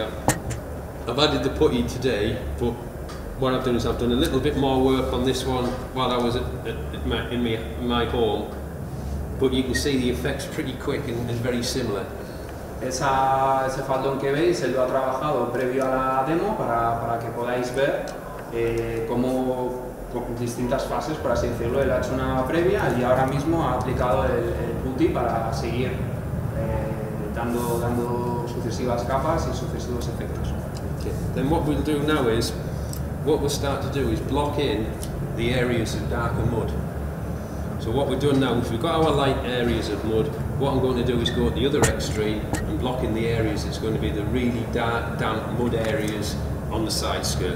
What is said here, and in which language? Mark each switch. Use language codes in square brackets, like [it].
[en] I've added the putty today, but what I've done is I've done a little bit more work on this one while I was in my home. But you can see the effects pretty quick and very similar. [es] Ese faldón que veis, él lo ha trabajado previo a la demo para que podáis ver cómo, con distintas fases, por así decirlo. Él ha hecho una previa y ahora mismo ha aplicado el putty para seguir dando sucesivas capas y sucesivos efectos. [en] Okay. Then what we'll do now is, what we'll start to do is block in the areas of darker mud. So what we're doing now, if we've got our light areas of mud, what I'm going to do is go at the other extreme and block in the areas that's going to be the really dark, damp mud areas on the side skirt.